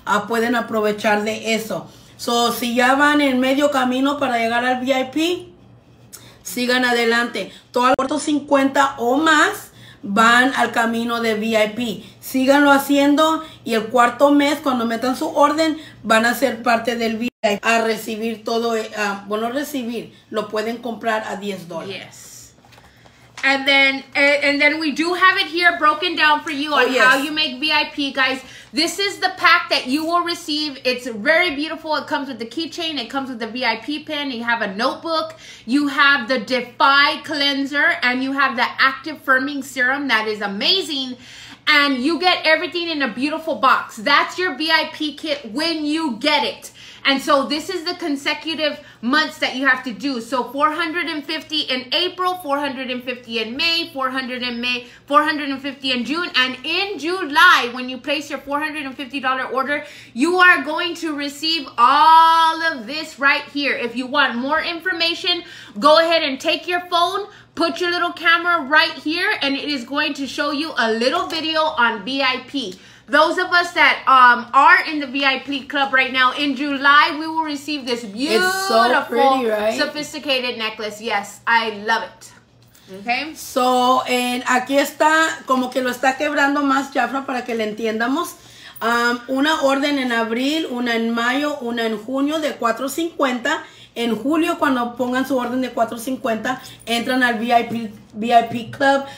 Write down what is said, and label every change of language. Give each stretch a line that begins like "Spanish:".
Spanish: Pueden aprovechar de eso. So, si ya van en medio camino para llegar al VIP, sigan adelante. Todos los 450 o más van al camino de VIP. Síganlo haciendo y el cuarto mes, cuando metan su orden, van a ser parte del VIP a recibir todo. Bueno, recibir, lo pueden comprar a $10.
English: Yes. And then we do have it here broken down for you on how you make VIP, guys. This is the pack that you will receive. It's very beautiful. It comes with the keychain. It comes with the VIP pin. You have a notebook. You have the Defy cleanser. And you have the active firming serum. That is amazing. And you get everything in a beautiful box. That's your VIP kit when you get it. And so this is the consecutive months that you have to do. So 450 in April, 450 in May, 400 in May, 450 in June. And in July, when you place your $450 order, you are going to receive all of this right here. If you want more information, go ahead and take your phone, put your little camera right here, and it is going to show you a little video on VIP. Those of us that are in the VIP club right now, in July, we will receive this beautiful, it's so pretty, right? Sophisticated necklace. Yes, I love it. Okay.
Spanish: So, aquí está, como que lo está quebrando más, Jafra, para que le entiendamos. Una orden en abril, una en mayo, una en junio de $450. En julio, cuando pongan su orden de $450, entran al VIP Club.